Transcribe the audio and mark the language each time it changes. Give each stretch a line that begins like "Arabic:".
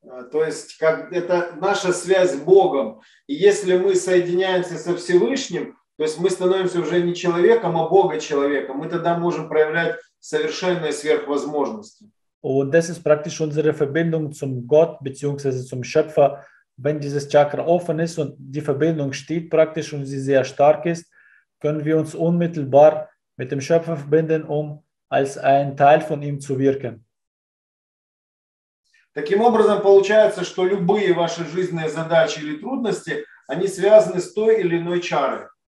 Russian: То есть как это наша связь с Богом. И если мы соединяемся со Всевышним, то есть мы становимся уже не человеком, а Бога-человеком. Мы тогда можем проявлять совершенные сверхвозможности.
German: Und das ist praktisch unsere Verbindung zum Gott bzw. zum Schöpfer. Wenn dieses Chakra offen ist und die Verbindung steht praktisch und sie sehr stark ist, können wir uns unmittelbar mit dem Schöpfer verbinden, um als ein Teil von ihm zu wirken.
Russian: Таким образом получается, что любые ваши жизненные задачи или трудности, они связаны с той или иной чарой.